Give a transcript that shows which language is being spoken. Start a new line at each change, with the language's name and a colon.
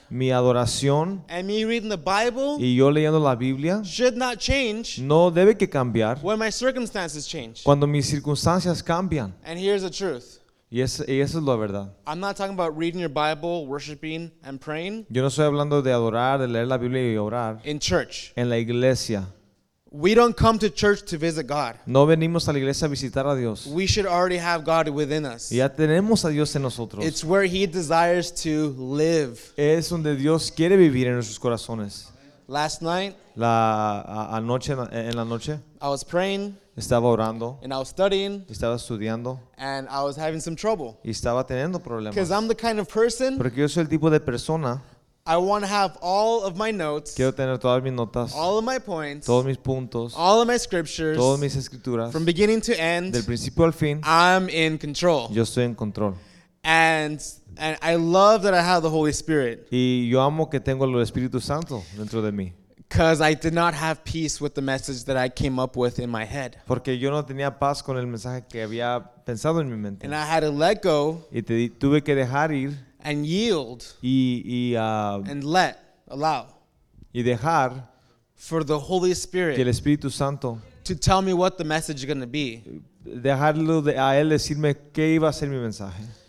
Spanish: Mi adoración.
English: And me reading the Bible.
Spanish: Y yo leyendo la Biblia.
English: Should not change.
Spanish: No debe que cambiar.
English: When my circumstances change.
Spanish: Cuando mis circunstancias cambian.
English: And here's the truth.
Spanish: Y eso es la verdad.
English: I'm not talking about reading your Bible, worshiping, and praying.
Spanish: Yo no estoy hablando de adorar, de leer la Biblia y orar.
English: In church.
Spanish: En la iglesia.
English: We don't come to church to visit God.
Spanish: No venimos a la iglesia a visitar a Dios.
English: We should already have God within us.
Spanish: Ya tenemos a Dios en nosotros.
English: It's where He desires to live.
Spanish: Es donde Dios quiere vivir en nuestros corazones.
English: Last night.
Spanish: En la noche.
English: I was praying.
Spanish: Estaba orando.
English: And I was studying.
Spanish: Estaba estudiando.
English: And I was having some trouble.
Spanish: Y estaba teniendo problemas.
English: Because I'm the kind of person.
Spanish: Porque yo soy el tipo de persona.
English: I want to have all of my notes.
Spanish: Quiero tener todas mis notas.
English: All of my points.
Spanish: Todos mis puntos.
English: All of my scriptures.
Spanish: Todas mis escrituras.
English: From beginning to end.
Spanish: Del principio al fin.
English: I'm in control.
Spanish: Yo estoy en control.
English: And I love that I have the Holy Spirit.
Spanish: Y yo amo que tengo el Espíritu Santo dentro de mí.
English: Because I did not have peace with the message that I came up with in my head.
Spanish: Porque yo no tenía paz con el mensaje que había pensado en mi mente.
English: And I had to let go.
Spanish: Y tuve que dejar ir.
English: And yield. And let, allow.
Spanish: Y dejar.
English: For the Holy Spirit.
Spanish: Que el Espíritu Santo.
English: To tell me what the message is going to be.
Spanish: Dejarlo a él decirme qué iba a ser mi mensaje.